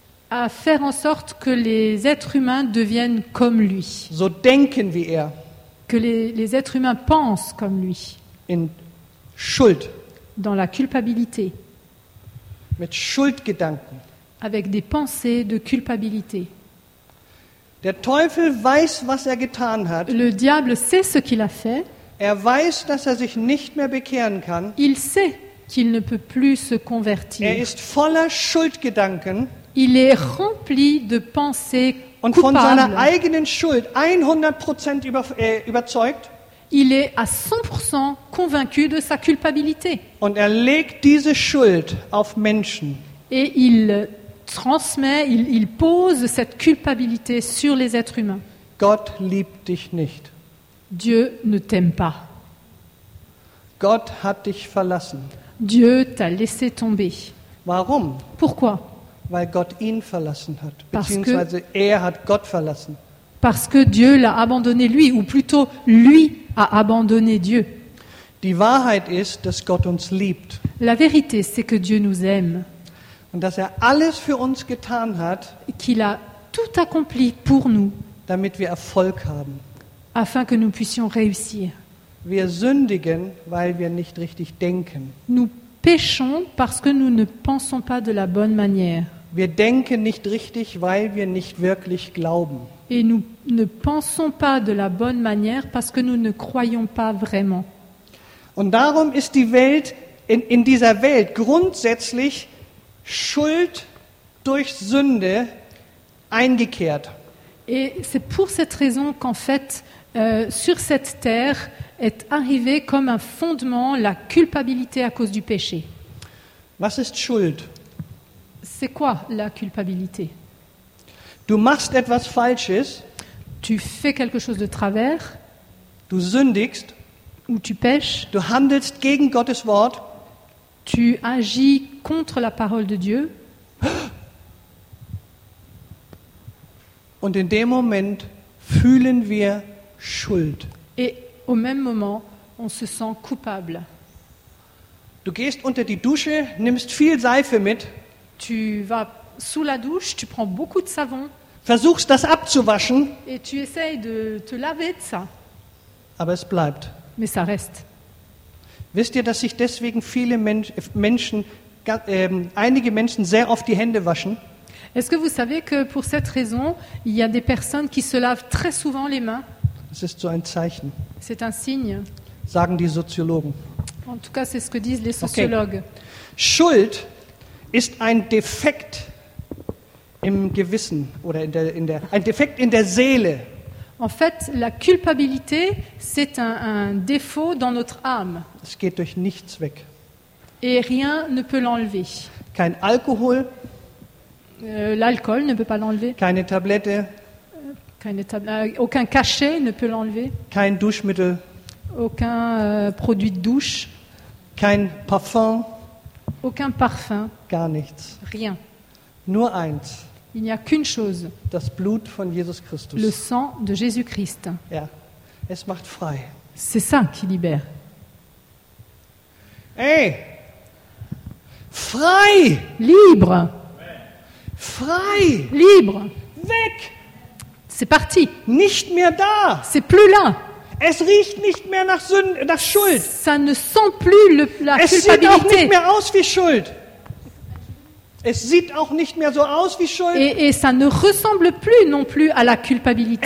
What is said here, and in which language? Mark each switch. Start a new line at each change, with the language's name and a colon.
French: À faire en sorte que les êtres humains deviennent comme lui.
German: So denken wie er.
French: Que les êtres humains pensent comme lui.
German: In Schuld.
French: Dans la culpabilité.
German: Mit Schuldgedanken.
French: Avec des pensées de culpabilité.
German: Der Teufel weiß, was er getan hat.
French: Le diable sait ce qu'il a fait.
German: Er weiß, dass er sich nicht mehr bekehren kann.
French: Il sait qu'il ne peut plus se convertir.
German: Er ist voller Schuldgedanken.
French: Il est rempli de pensées coupables.
German: Und von seiner eigenen Schuld 100% überzeugt.
French: Il est à 100% convaincu de sa culpabilité.
German: Und er legt diese Schuld auf Menschen.
French: Et il transmet, il pose cette culpabilité sur les êtres humains.
German: Gott liebt dich nicht.
French: Dieu ne t'aime pas.
German: Gott hat dich verlassen.
French: Dieu t'a laissé tomber.
German: Warum?
French: Pourquoi?
German: Weil Gott ihn verlassen hat, beziehungsweise er hat Gott verlassen.
French: Parce que Dieu l'a abandonné lui, ou plutôt lui a abandonné Dieu.
German: Die Wahrheit ist, dass Gott uns liebt.
French: La vérité, c'est que Dieu nous aime.
German: Und dass er alles für uns getan hat,
French: qu'il a tout accompli pour nous,
German: damit wir Erfolg haben.
French: Afin que nous puissions réussir.
German: Wir sündigen, weil wir nicht richtig denken.
French: Nous péchons parce que nous ne pensons pas de la bonne manière.
German: Wir denken nicht richtig, weil wir nicht wirklich glauben.
French: Et nous ne pensons pas de la bonne manière parce que nous ne croyons pas vraiment.
German: Und darum ist die Welt in dieser Welt grundsätzlich Schuld durch Sünde eingekehrt.
French: Et c'est pour cette raison qu'en fait sur cette terre est arrivé comme un fondement la culpabilité à cause du péché.
German: Was ist Schuld?
French: C'est quoi la culpabilité?
German: Du machst etwas Falsches.
French: Tu fais quelque chose de travers.
German: Du sündigst.
French: Ou tu pèches.
German: Du handelst gegen Gottes Wort.
French: Tu agis contre la parole de Dieu.
German: Und in dem Moment fühlen wir Schuld.
French: Et au même moment, on se sent coupable.
German: Du gehst unter die Dusche, nimmst viel Seife mit.
French: Tu vas sous la douche, tu prends beaucoup de savon.
German: Versuchst das abzuwaschen.
French: Et tu essayes de te laver de ça.
German: Aber es bleibt.
French: Mais ça reste.
German: Wisst ihr, dass sich deswegen viele Menschen, einige Menschen sehr oft die Hände waschen?
French: Est-ce que vous savez que pour cette raison, il y a des personnes qui se lavent très souvent les mains?
German: Es ist so ein Zeichen.
French: C'est un signe.
German: Sagen die Soziologen.
French: En tout cas, c'est ce que disent les sociologues. Okay.
German: Schuld ist ein Defekt im Gewissen oder ein Defekt in der Seele.
French: En fait, la culpabilité, c'est un défaut dans notre âme.
German: Es geht durch nichts weg.
French: Et rien ne peut l'enlever.
German: Kein Alkohol.
French: L'alcool ne peut pas l'enlever.
German: Keine Tablette.
French: Aucun cachet ne peut l'enlever.
German: Kein Duschmittel.
French: Aucun produit de douche.
German: Kein Parfum.
French: Aucun parfum.
German: Gar nichts.
French: Rien.
German: Nur eins.
French: Il n'y a qu'une chose.
German: Das Blut von Jesus Christus.
French: Le sang de Jésus-Christ.
German: Ja. Es macht frei.
French: C'est ça qui libère.
German: Hey! Frei!
French: Libre!
German: Frei!
French: Libre!
German: Weg!
French: C'est parti.
German: Nicht mehr da.
French: C'est plus là.
German: Es riecht nicht mehr nach Sünde, nach Schuld.
French: Ça ne sent plus le, la
German: es
French: culpabilité.
German: Es sieht auch nicht mehr aus wie Schuld. Es sieht auch nicht mehr so aus wie Schuld.
French: Et ça ne ressemble plus non plus à la culpabilité.